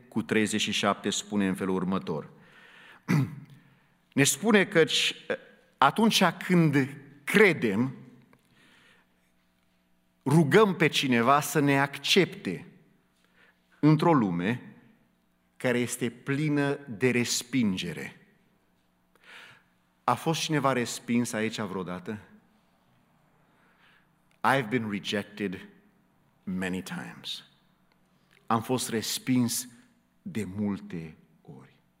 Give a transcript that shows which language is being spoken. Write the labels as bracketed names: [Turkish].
[Romanian] cu 37 spune în felul următor. Ne spune că atunci când credem, rugăm pe cineva să ne accepte într-o lume care este plină de respingere. A fost cineva respins aici vreodată? [English] I've been rejected many times. [Romanian] Am fost respins de multe ori.